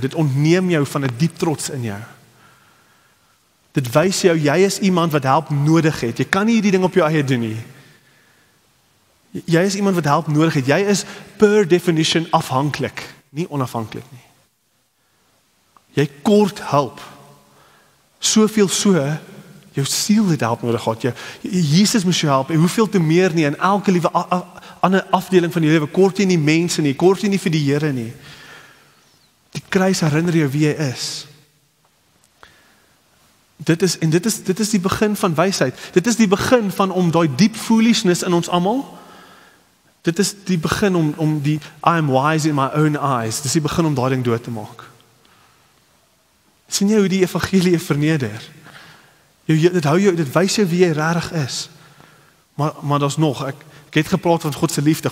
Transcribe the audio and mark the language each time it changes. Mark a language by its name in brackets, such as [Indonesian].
[Afrikaans] Dit ontneem jou van 'n diep trots in jou. Dit wys jou, jy is iemand wat help nodig het. Jy kan nie hierdie ding op jou eie doen nie. Jy is iemand wat help nodig het. Jy is per definition afhanklik, nie onafhanklik nie. Jy kort help. Soveel so, jou siel het help nodig gehad. Jesus moes jou help, en hoeveel te meer nie, in elke liewe ander afdeling van jou lewe, kort jy nie mense nie, kort jy nie vir die Here nie. Die kruis herinner jou wie jy is. Dit is die begin van wysheid. Dit is die begin van om daai [English] deep foolishness [Afrikaans] in ons almal. Dit is die begin om die [English] I am wise in my own eyes. [Afrikaans] Dit is die begin om daai ding dood te maak. Sien jy hoe die evangelie verneder? Dit wys jou wie jy regtig is. Maar daar's nog, ek het gepraat van God se liefde.